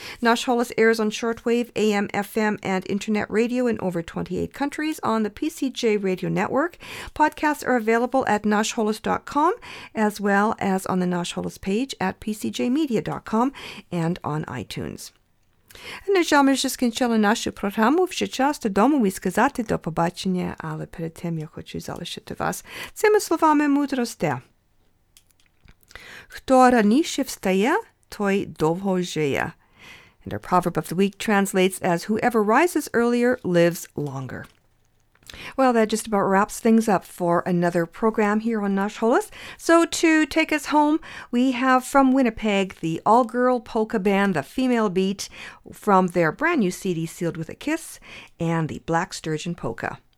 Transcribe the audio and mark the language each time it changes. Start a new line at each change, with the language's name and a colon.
English: Nash Holos airs on shortwave, AM, FM, and internet radio in over 28 countries on the PCJ Radio Network. Podcasts are available at nashholos.com as well as on the Nash Holos page at pcjmedia.com and on iTunes.
Ukrainian: Нажами вже скінчили нашу програму. Вже час додому і сказати до побачення, але перед тим я хочу залишити вас цими словами мудрості. Хто раніше встає, той довго живе.
English: And our proverb of the week translates as whoever rises earlier lives longer. Well, that just about wraps things up for another program here on Nash Holos. So to take us home, we have from Winnipeg, the all-girl polka band, The Female Beat, from their brand new CD, Sealed with a Kiss, and the Black Sturgeon Polka.